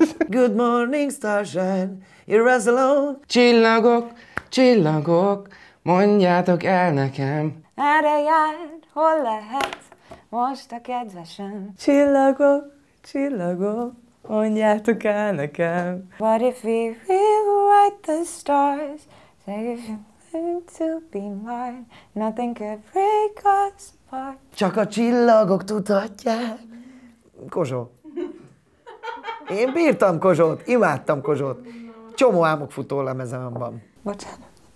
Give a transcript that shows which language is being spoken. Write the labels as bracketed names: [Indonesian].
[English] Good morning, starshine, you're us alone. [Hungarian] Csillagok, csillagok, mondjátok el nekem. Erre jár, hol lehet most a kedvesem? Csillagok, csillagok, mondjátok el nekem. [English] What if we rewrite the stars? Say if you're meant to be mine, nothing could break us apart. [Hungarian] Csak a csillagok tudhatják. Kozsó. Én bírtam Kozsót, imádtam Kozsót. csomó álmokfutó lemezem van. Bocsánat.